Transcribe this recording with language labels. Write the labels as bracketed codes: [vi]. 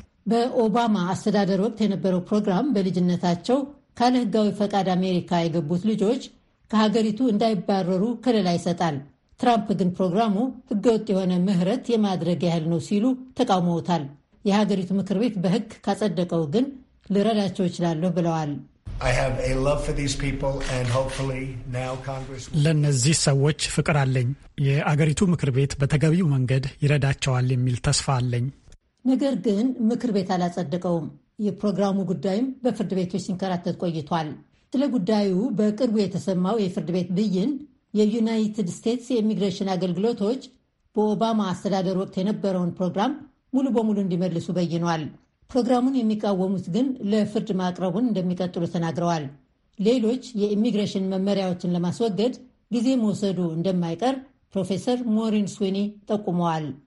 [am] በኦባማ አስተዳደር ወቅት የነበረው ፕሮግራም በልጅነታቸው ካለ ሕጋዊ ፈቃድ አሜሪካ የገቡት ልጆች ከሀገሪቱ እንዳይባረሩ ከለላ ይሰጣል። ትራምፕ ግን ፕሮግራሙ ሕገወጥ የሆነ ምህረት የማድረግ ያህል ነው ሲሉ ተቃውመውታል። የሀገሪቱ ምክር ቤት በሕግ ካጸደቀው ግን ልረዳቸው እችላለሁ ብለዋል። [en] I have a love for these people and hopefully now Congress [am] ለነዚህ ሰዎች ፍቅር አለኝ። የአገሪቱ ምክር ቤት በተገቢው መንገድ ይረዳቸዋል የሚል ተስፋ አለኝ። ነገር ግን ምክር ቤት አላጸደቀውም። የፕሮግራሙ ጉዳይም በፍርድ ቤቶች ሲንከራተት ቆይቷል። ስለ ጉዳዩ በቅርቡ የተሰማው የፍርድ ቤት ብይን የዩናይትድ ስቴትስ የኢሚግሬሽን አገልግሎቶች በኦባማ አስተዳደር ወቅት የነበረውን ፕሮግራም ሙሉ በሙሉ እንዲመልሱ በይኗል። ፕሮግራሙን የሚቃወሙት ግን ለፍርድ ማቅረቡን እንደሚቀጥሉ ተናግረዋል። ሌሎች የኢሚግሬሽን መመሪያዎችን ለማስወገድ ጊዜ መውሰዱ እንደማይቀር ፕሮፌሰር ሞሪን ስዊኒ ጠቁመዋል።